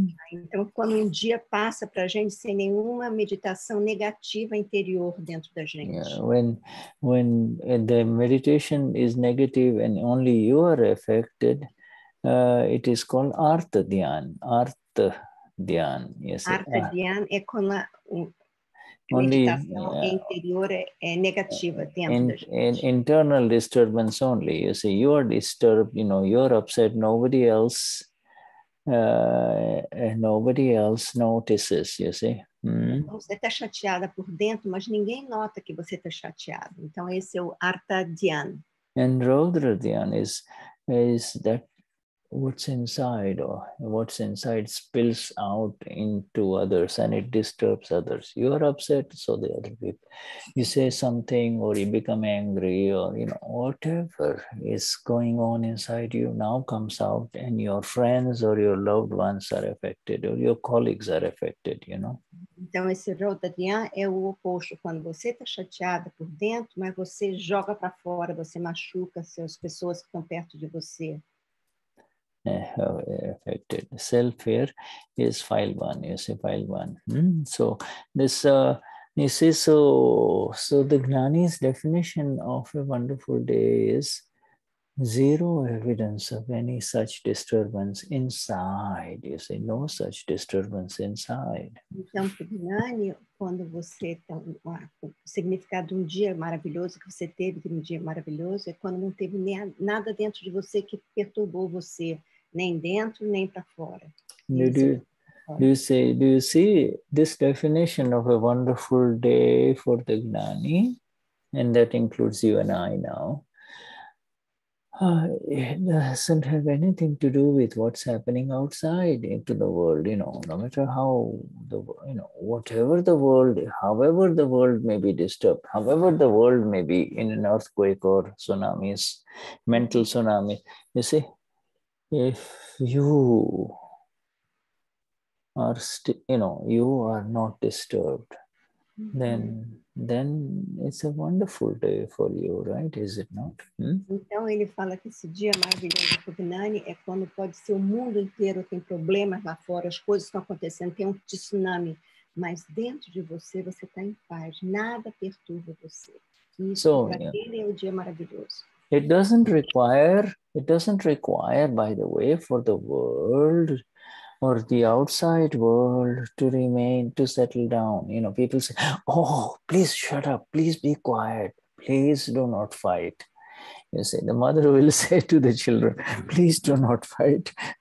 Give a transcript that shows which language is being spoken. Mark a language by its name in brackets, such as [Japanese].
[Portuguese] Então, quando dia passa para a gente sem nenhuma meditação negativa interior dentro da gente. [English] When the meditation is negative and only you are affected, it is called Artha Dhyan. Artha Dhyan, you see? [Portuguese] Artha Dhyan é quando a meditação interior é negativa dentro da gente. [English] Internal disturbance only. You see, you are disturbed, you know, you're upset, nobody else notices, you see. [Portuguese] Então, você está chateada por dentro, mas ninguém nota que você está chateado. Então, esse é o Artha Dhyan. [English] And Rudra Dhyan is that what's inside, or what's inside spills out into others and it disturbs others. You are upset, so the other people. You say something or you become angry or, you know, whatever is going on inside you now comes out, and your friends or your loved ones are affected, or your colleagues are affected, you know. [Portuguese] Então, esse Rota Dian é o oposto. Quando você está chateada por dentro, mas você joga para fora, você machuca as pessoas que estão perto de você. [English] Affected. Self-fear is file one, you say file one. So this, you see, so the Gnani's definition of a wonderful day is zero evidence of any such disturbance inside. You say no such disturbance inside. [Portuguese] Então, para o Gnani, quando você está, o significado de um dia maravilhoso que você teve, de um dia maravilhoso, é quando não teve nem nada dentro de você que perturbou você. Nem dentro, nem para fora. [English] Do you see this definition of a wonderful day for the Gnani, and that includes you and I now, it doesn't have anything to do with what's happening outside into the world, you know, no matter how, the you know, whatever the world, however the world may be disturbed, however the world may be in an earthquake or tsunamis, mental tsunami, you see? If you are you are not disturbed, then it's a wonderful day for you, right? Is it not? [Portuguese] Então ele fala que esse dia maravilhoso para o Gnani é quando pode ser o mundo inteiro tem problemas lá fora, as coisas estão acontecendo, tem um tsunami, mas dentro de você, você está em paz, nada perturba você. Isso para ele é o dia maravilhoso. [English] It doesn't require, by the way, for the world or the outside world to remain, to settle down. You know, people say, oh, please shut up. Please be quiet. Please do not fight. You say, the mother will say to the children, please do not fight.